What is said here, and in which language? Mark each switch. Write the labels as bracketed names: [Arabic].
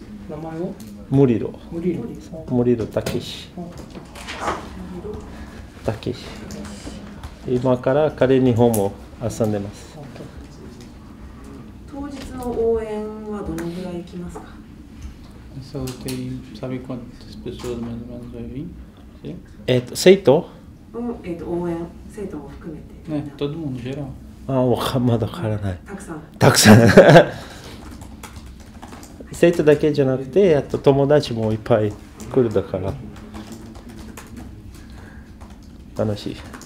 [Japanese] 名前をムリロ。ムリロ。ムリロタケシ。タケシ。今から彼日本も遊んでます。当日の応援はどのぐらい行きますか？ [Portuguese] そう、tem sabe quantas pessoas mais ou menos vai vir? [Japanese] 生徒？応援、生徒も含めて。 [Portuguese] ね、todo mundo geral。 [Japanese] あ、わかまだわからない。たくさん。たくさん。生徒だけじゃなくて、あと友達もいっぱい来るだから楽しい。